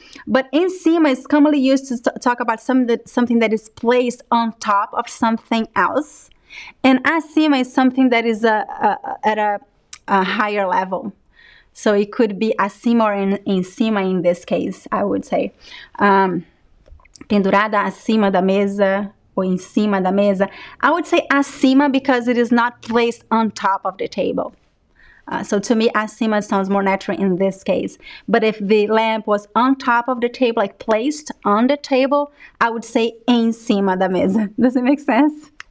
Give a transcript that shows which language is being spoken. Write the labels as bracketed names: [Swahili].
[English] But em cima is commonly used to talk about something that is placed on top of something else. And acima is something that is at a higher level. So it could be acima or em cima in this case, I would say. [Portuguese] Pendurada acima da mesa or em cima da mesa. [English] I would say acima because it is not placed on top of the table. So to me, acima sounds more natural in this case. But if the lamp was on top of the table, like placed on the table, I would say [Portuguese] em cima da mesa. [English] Does it make sense?